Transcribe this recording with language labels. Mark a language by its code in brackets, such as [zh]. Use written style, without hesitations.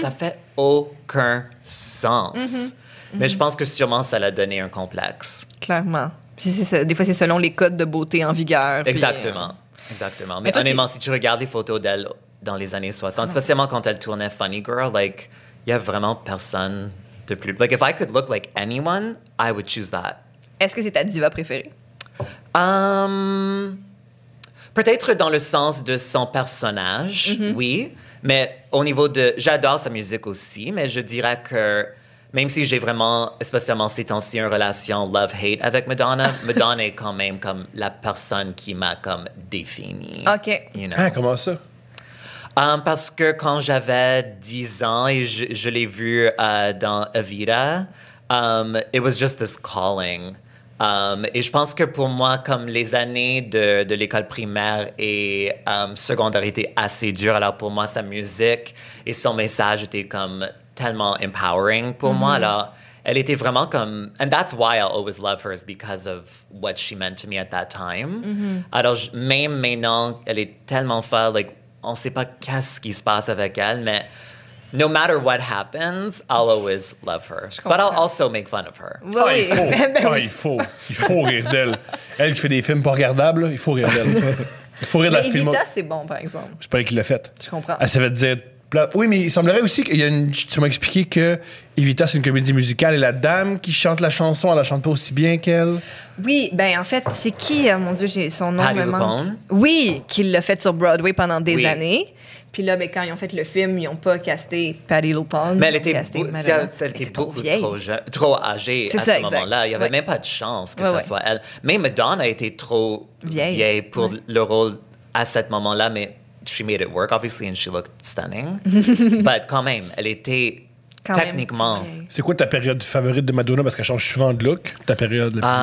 [fr] ça fait aucun sens. Mm-hmm. Mm-hmm. Mais je pense que sûrement, ça l'a donné un complexe. Clairement. Puis des fois, c'est selon les codes de beauté en vigueur. Exactement. Exactement. Mais honnêtement, si tu regardes les photos d'elle dans les années 60, spécialement quand elle tournait Funny Girl, like, il y a vraiment personne de plus. [en] Like, if I could look like anyone, I would choose that. [fr] Est-ce que c'est ta diva préférée? Peut-être dans le sens de son personnage, mm-hmm. oui. Mais au niveau de... J'adore sa musique aussi, mais je dirais que... Même si j'ai vraiment, spécialement ces temps-ci, une relation love-hate avec Madonna, Madonna est quand même comme la personne qui m'a comme définie. OK. [en] You know? [fr] Ah, comment ça? Parce que quand j'avais 10 ans et je l'ai vue dans Evita, [en] it was just this calling. [fr] Et je pense que pour moi, comme les années de l'école primaire et secondaire étaient assez dures, alors pour moi, sa musique et son message étaient comme... tellement empowering pour mm-hmm. moi. Alors, elle était vraiment comme... [en] And that's why I always love her, is because of what she meant to me at that time. Mm-hmm. [fr] Alors, même maintenant, elle est tellement folle. Like, on ne sait pas qu'est-ce qui se passe avec elle, mais [en] no matter what happens, I'll always love her. But I'll also make fun of her. [fr] Oui. Ah, il faut. Ah, il faut. Il faut rire d'elle. Elle qui fait des films pas regardables, il faut rire d'elle. Il faut rire d'elle. Mais Evita, c'est bon, par exemple. Je sais pas qui l'a fait. Je comprends. Elle savait dire... Oui, mais il semblerait aussi qu'il y a une... Tu m'as expliqué que Evita, c'est une comédie musicale et la dame qui chante la chanson, elle la chante pas aussi bien qu'elle. Oui, ben en fait, c'est qui, mon Dieu, j'ai son nom. Patti LuPone. Oui, qui l'a fait sur Broadway pendant des oui. années. Puis là, ben, quand ils ont fait le film, ils n'ont pas casté Patti LuPone. Mais elle était trop âgée c'est à ça, ce exact. Moment-là. Il n'y avait ouais. même pas de chance que ce ouais, soit elle. Même Madonna a été trop vieille pour ouais. le rôle à ce moment-là, mais... [en] She made it work, obviously, and she looked stunning. [fr] But quand même, elle était quand techniquement... Même, okay. C'est quoi ta période favorite de Madonna? Parce qu'elle change souvent de look, ta période.